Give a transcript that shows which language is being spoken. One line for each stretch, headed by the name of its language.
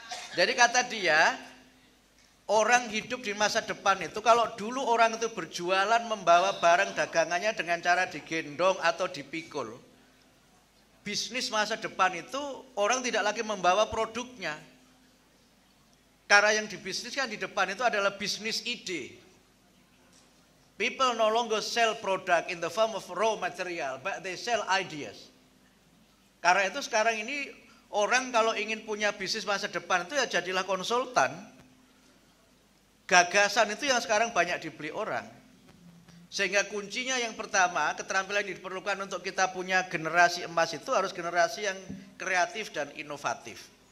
Indonesian: Jadi kata dia, orang hidup di masa depan itu, kalau dulu orang itu berjualan membawa barang dagangannya dengan cara digendong atau dipikul. Bisnis masa depan itu orang tidak lagi membawa produknya. Karena yang dibisniskan di depan itu adalah bisnis ide.
English: People no longer sell product in the form of raw material, but they sell ideas.
Indonesian: Karena itu sekarang ini, orang kalau ingin punya bisnis masa depan itu ya jadilah konsultan. Gagasan itu yang sekarang banyak dibeli orang. Sehingga kuncinya yang pertama, keterampilan yang diperlukan untuk kita punya generasi emas itu harus generasi yang kreatif dan inovatif.